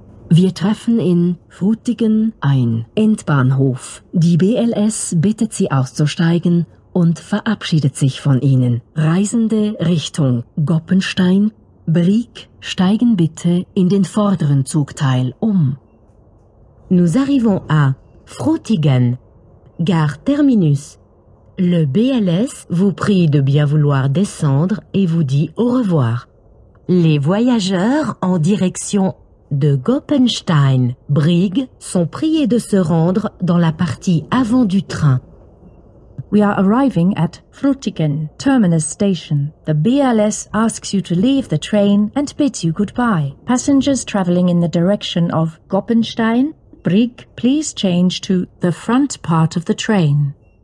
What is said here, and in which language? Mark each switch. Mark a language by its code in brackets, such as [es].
[de] Wir treffen in Frutigen ein. Endbahnhof. Die BLS bittet Sie auszusteigen und verabschiedet sich von Ihnen. Reisende Richtung Goppenstein, Brieg steigen bitte in den vorderen Zugteil um. [fr] Nous arrivons à Frutigen. Gare Terminus. Le BLS vous prie de bien vouloir descendre et vous dit au revoir. Les voyageurs en direction de Goppenstein, Brieg sont priés de se rendre dans la partie avant du train. [en] We are arriving at Frutigen, terminus station. The BLS asks you to leave the train and bids you goodbye. Passengers traveling in the direction of Goppenstein, Brieg, please change to the front part of the train.